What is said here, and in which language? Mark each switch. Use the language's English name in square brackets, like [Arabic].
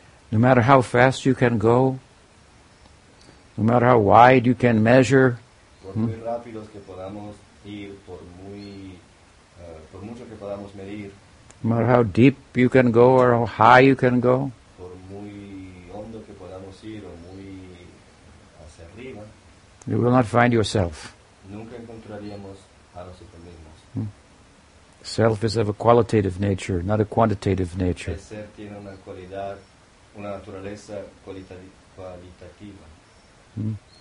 [English] No matter how fast you can go, no matter how wide you can measure, [Spanish] muy rápidos que podamos ir, por muy por mucho que podamos medir. [English] No matter how deep you can go or how high you can go. [Spanish] Por muy hondo que podamos ir o muy hacia arriba. [English] You will not find yourself. [Spanish] Nunca encontraríamos a nosotros mismos. [English] Self is of a qualitative nature, not a quantitative nature. [Spanish] El ser tiene una cualidad, una naturaleza cualitativa.